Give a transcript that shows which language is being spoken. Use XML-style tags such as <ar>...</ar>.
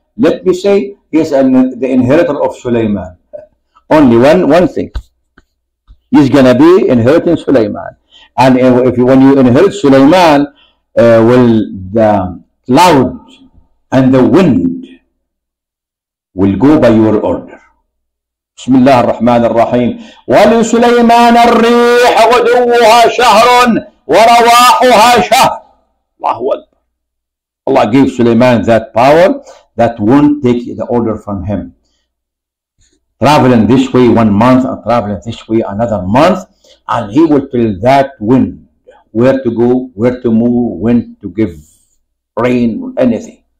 <en>Let me say, he is the inheritor of Sulaiman. Only one thing. He's going to be inheriting Sulaiman. And when you inherit Sulaiman, will the cloud and the wind will go by your order.</en> <ar>بسم الله الرحمن الرحيم ولسليمان الريح غدوها شهر ورواحها شهر. الله أكبر.</ar> <en>الله gave سليمان that power that won't take the order from him. Traveling this way one month and traveling this way another month, and he will tell that wind where to go, where to move, when to give rain or anything.</en>